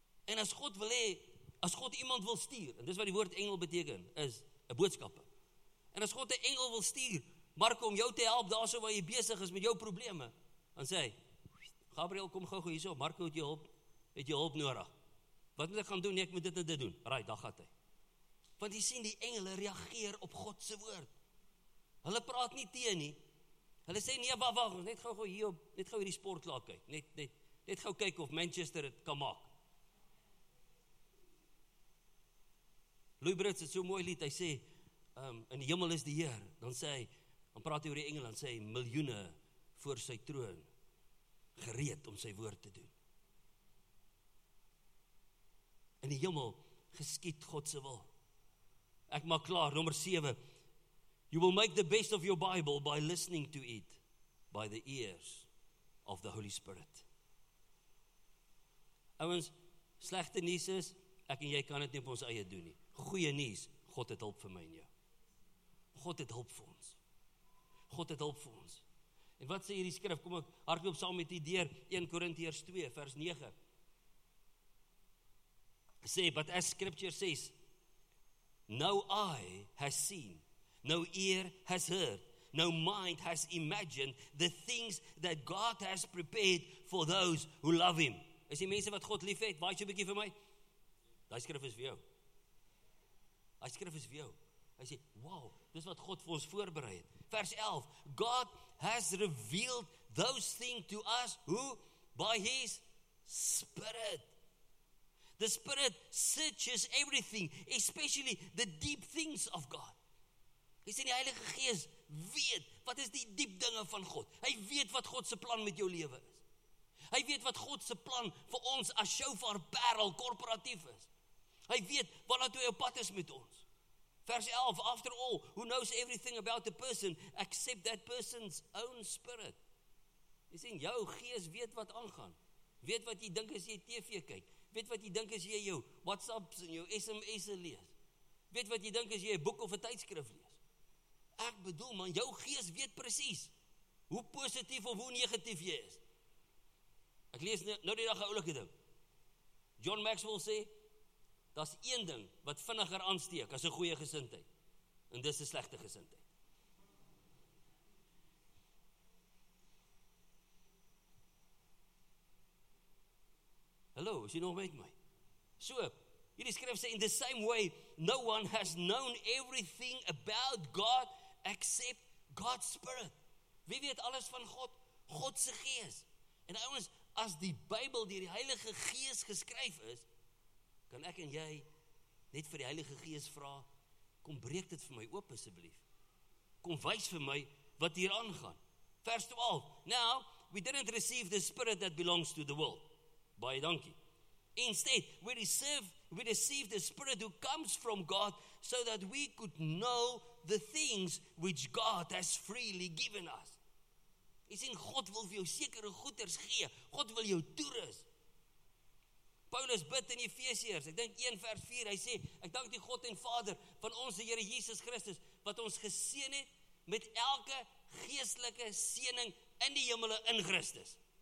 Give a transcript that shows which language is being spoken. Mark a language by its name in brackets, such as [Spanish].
[Afrikaans] En as God wil hee, as God iemand wil stuur, en dis wat die woord engel beteken, is een boodskap. En as God een engel wil stuur, Marco, om jou te help, daar so waar jy bezig is met jou probleme, dan sê, Gabriel, kom gauw hier so, Marco, het jy hulp nodig. Wat moet ek gaan doen, nee, ek moet dit en dit doen. Right, daar gaat hy. Want jy sien, die engele reageer op Godse woord. Hulle praat nie teen nie. Hulle sê nie, wacht, net gauw hier op, net gauw hierdie sport laat kyk. Net gauw kyk of Manchester het kan maak. Louis Brits het so mooi lied, hy sê, in die hemel is die Heer. Dan praat hy oor die engel, dan sê hy, miljoene voor sy troon, gereed om sy woord te doen. In die hemel geskiet God se wil. Ek maak klaar, nummer 7. [English] You will make the best of your Bible by listening to it by the ears of the Holy Spirit. [Afrikaans] Ouens, slegte nuus is, ek en jy kan dit nie op ons eie doen nie. Goeie nuus, God het hulp vir my en jou. God het hulp vir ons. God het hulp vir ons. En wat sê hierdie skrif? Kom ek hardloop saam met u deur 1 Korintiërs 2 vers 9. Sê, [English] but as scripture says, no eye has seen, no ear has heard, no mind has imagined the things that God has prepared for those who love him. [Afrikaans] Is die mense wat God lief het, waai so 'n bietjie vir my? Daai skrif is vir jou. Daai skrif is vir jou. Hy sê, wow, dis wat God vir ons voorberei het. Vers 11, [English] God has revealed those things to us, who? By his spirit. The spirit searches everything, especially the deep things of God. [Afrikaans] Hy sê, die Heilige Gees weet, wat is die diep dinge van God? Hy weet wat God se plan met jou lewe is. Hy weet wat God se plan vir ons as Shofar Parel korporatief is. Hy weet wat hy op pad is met ons. Vers 11, [English] after all, who knows everything about the person except that person's own spirit? [Afrikaans] Jy sien, jou gees weet wat aangaan. Weet wat jy dink as jy TV kyk. Weet wat jy dink as jy jou WhatsApps en jou SMS'e lees. Weet wat jy dink as jy 'n boek of 'n tydskrif lees. Ek bedoel, man, jou gees weet presies hoe positief of hoe negatief jy is. Ek lees nou die dag 'n oulike ding. John Maxwell sê, dat is een ding wat vinniger aansteek as 'n goeie gesindheid. En dis 'n slegte gesindheid. Hallo, is jy nog met my? So, hierdie skrif sê, [English] in the same way, no one has known everything about God except God's Spirit. [Afrikaans] Wie weet alles van God? God se gees. En ouens, as die Bybel deur die Heilige Gees geskryf is, kan ek en jy net vir die Heilige Gees vra, kom breek dit vir my oop asseblief. Kom wys vir my wat hier aangaan. Vers 12, [English] now, we didn't receive the spirit that belongs to the world. [Afrikaans] Baie dankie. [English] Instead, we receive the spirit who comes from God so that we could know the things which God has freely given us. [Afrikaans] Jy sien, God wil vir jou sekere goeders gee. God wil jou toerus. Paulus bid in Efesiërs, ek dink 1 vers 4, hy sê, ek dank die God en Vader van ons Here Jesus Christus, wat ons geseën het met elke geestelike seëning in die hemele in Christus.